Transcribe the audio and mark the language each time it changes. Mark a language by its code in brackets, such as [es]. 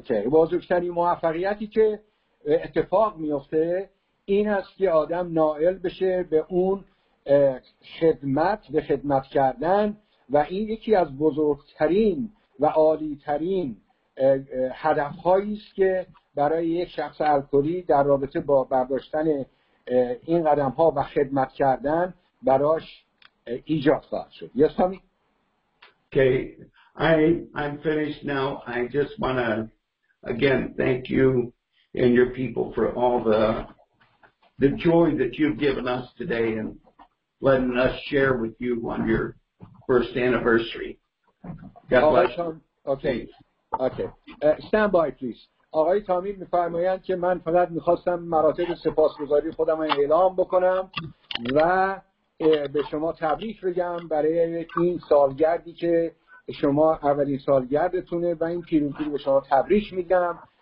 [fa] بزرگترین موفقیتی که اتفاق میفته این است که آدم نائل بشه به اون خدمت، به خدمت کردن، و این یکی از بزرگترین و عالی‌ترین هدف‌هایی است که برای یک شخص الکلی در رابطه با برداشتن این قدم‌ها و خدمت کردن براش ایجاد خواهد شد. [en] Yes, Tommy. Okay, I'm finished now. I just want to again thank you and your people for all the joy that you've given us today and letting us share with you on your first anniversary. God bless. Okay. Stand by please. [fa] آقای تامی میفرمایند که من فقط میخواستم مراتب سپاسگزاری خودم رو اعلام بکنم و به شما تبریک بگم برای این سالگردی که شما اولین سالگردتونه و این پیروزی رو به شما تبریک میگم.